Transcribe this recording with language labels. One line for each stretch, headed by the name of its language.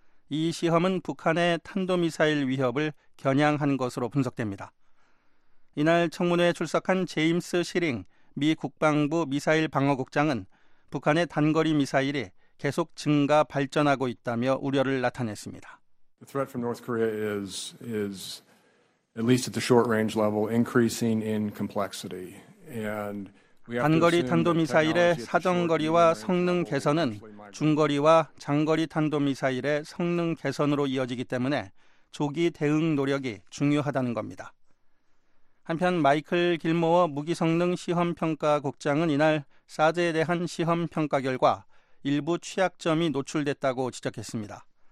Korean: 이 시험은 북한의 탄도미사일 위협을 겨냥한 것으로 분석됩니다. 이날 청문회에 출석한 제임스 시링 미 국방부 미사일 방어국장은 북한의 단거리 미사일이 계속 증가 발전하고 있다며 우려를 나타냈습니다.
English: The threat from North Korea is at least at the short range level increasing in complexity.
Korean: 단거리 탄도미사일의 사정거리와 성능 개선은 중거리와 장거리 탄도미사일의 성능 개선으로 이어지기 때문에 조기 대응 노력이 중요하다는 겁니다. 한편 마이클 길모어 무기성능 시험평가국장은 이날 사드에 대한 시험평가 결과 일부 취약점이 노출됐다고 지적했습니다.